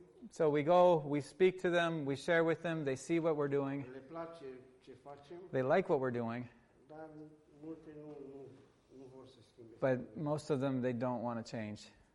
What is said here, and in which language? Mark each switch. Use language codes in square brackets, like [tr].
[en] So we go, we speak to them, we share with them, they see what we're doing. [ro] Le place ce facem. [en] They like what we're doing. [ro] Dar multe nu vor să schimbe. [en] But most of them, they don't want to change.